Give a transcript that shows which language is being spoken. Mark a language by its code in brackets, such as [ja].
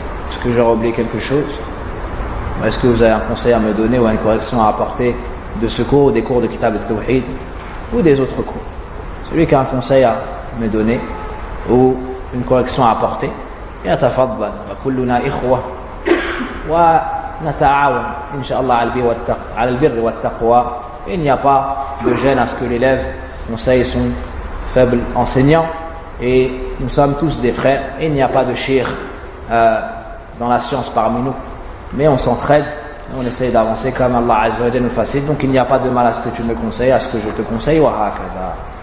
[fr] Est-ce que j'aurais oublié quelque chose? Est-ce que vous avez un conseil à me donner ou une correction à apporter de ce cours ou des cours de Kitab al-Tawhid ou des autres cours? Celui qui a un conseil à me donner ou une correction à apporter, [ar] ya tafadhal wa kulluna ikhwa. ونتعاون إن شاء الله على البر والتقوى. [fr] Il n'y a pas de gêne à ce que l'élève conseille son faible enseignant. et nous sommes tous des frères, et il n'y a pas de shir dans la science parmi nous, mais on s'entraide, on essaye d'avancer comme Allah Azza wa Jalla nous facilite. Donc il n'y a pas de mal à ce que tu me conseilles, à ce que je te conseille, [ar] wa hakada.